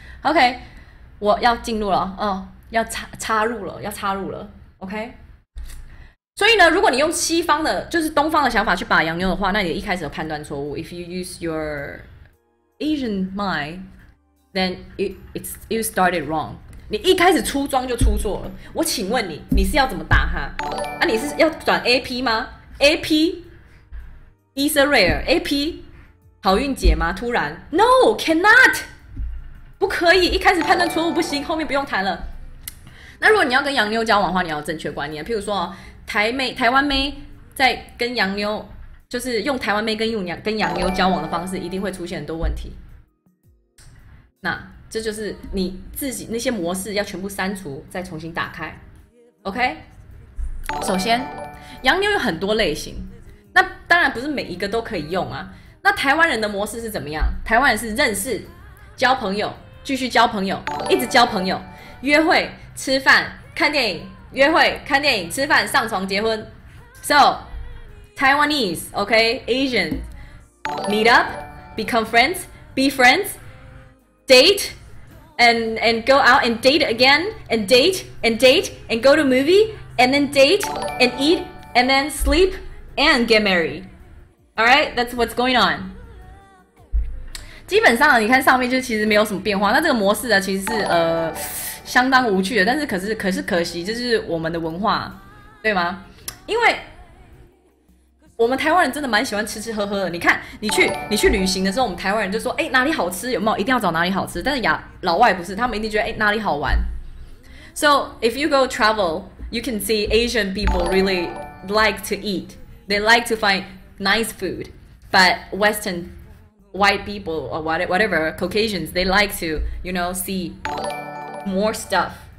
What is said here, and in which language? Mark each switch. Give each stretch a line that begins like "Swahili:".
Chinese: OK, 我要进入了，哦，要插入了。 OK, 所以呢，如果你用西方的，就是东方的想法去把洋妞的话，那你一开始的判断错误。
English: If you use your Asian mind, then you started wrong.
Chinese: 你一开始出装就出错了。我请问你，你是要怎么打他？啊，你是要转 AP 吗？AP Issa Rare AP 好运姐吗？突然
English: No cannot
Chinese: 不可以，一开始判断错误不行，后面不用谈了。那如果你要跟洋妞交往的话，你要有正确观念。譬如说台湾妹在跟洋妞，就是用台湾妹跟洋妞交往的方式，一定会出现很多问题。那这就是你自己那些模式要全部删除再重新打开。 OK, 首先洋妞有很多类型，那当然不是每一个都可以用啊。那台湾人的模式是怎么样？台湾人是认识、交朋友、继续交朋友、一直交朋友、约会、吃饭、看电影、约会、看电影、吃饭、上床、结婚。
English: So Taiwanese, OK, Asian, meet up, become friends, be friends, date, and go out and date again, and date and date and go to movie. And then date, and eat, and then sleep, and get married. All right, that's what's going on.
Chinese: 基本上，你看上面就其实没有什么变化。那这个模式呢，其实是相当无趣的。但是可惜，这是我们的文化，对吗？因为我们台湾人真的蛮喜欢吃吃喝喝的。你看，你去旅行的时候，我们台湾人就说：“哎，哪里好吃？有没有？一定要找哪里好吃。” 但是老外不是，他们一定觉得：“哎，哪里好玩？”
English: So if you go travel. You can see Asian people really like to eat. They like to find nice food. But Western white people or whatever, Caucasians, they like to, you know, see more stuff.